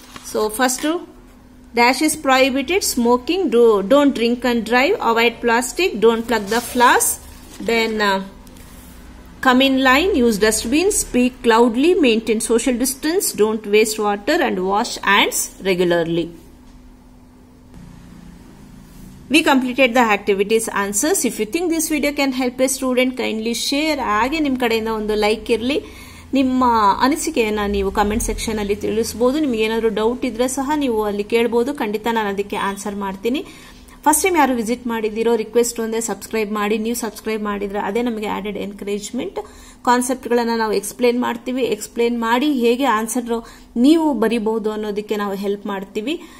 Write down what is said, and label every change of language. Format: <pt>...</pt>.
<en>So first dash is prohibited smoking, don't drink and drive, avoid plastic, don't pluck the flowers, then come in line, use dustbin, speak loudly, maintain social distance, don't waste water and wash hands regularly. We completed the activities answers. If you think this video can help a student, kindly share.</en> <kn>ಹಾಗೆ ನಿಮ್ಮ ಕಡೆಯಿಂದ ಒಂದು like ಇರಲಿ. ನಿಮ್ಮ ಅನಿಸಿಕೆಯನ್ನು ನೀವು comment section ಅಲ್ಲಿ ತಿಳಿಸಬಹುದು. ನಿಮಗೇನಾದರೂ ಡೌಟ್ ಇದ್ರೆ ಸಹ ನೀವು ಅಲ್ಲಿ ಕೇಳ್ಬೋದು, ಖಂಡಿತ ನಾನು ಅದಕ್ಕೆ ಆನ್ಸರ್ ಮಾಡ್ತೀನಿ. ಫಸ್ಟ್ ಟೈಮ್ ಯಾರು ವಿಸಿಟ್ ಮಾಡಿದ್ದೀರೋ, ರಿಕ್ವೆಸ್ಟ್ ಒಂದೇ, ಸಬ್ಸ್ಕ್ರೈಬ್ ಮಾಡಿ. ನೀವು ಸಬ್ಸ್ಕ್ರೈಬ್ ಮಾಡಿದ್ರೆ ಅದೇ ನಮಗೆ ಆಡೆಡ್ ಎನ್ಕರೇಜ್ಮೆಂಟ್. ಕಾನ್ಸೆಪ್ಟ್ಗಳನ್ನು ನಾವು ಎಕ್ಸ್ಪ್ಲೇನ್ ಮಾಡ್ತೀವಿ, ಎಕ್ಸ್ಪ್ಲೇನ್ ಮಾಡಿ ಹೇಗೆ ಆನ್ಸರ್ ನೀವು ಬರೀಬಹುದು ಅನ್ನೋದಕ್ಕೆ ನಾವು ಹೆಲ್ಪ್ ಮಾಡ್ತೀವಿ.</kn>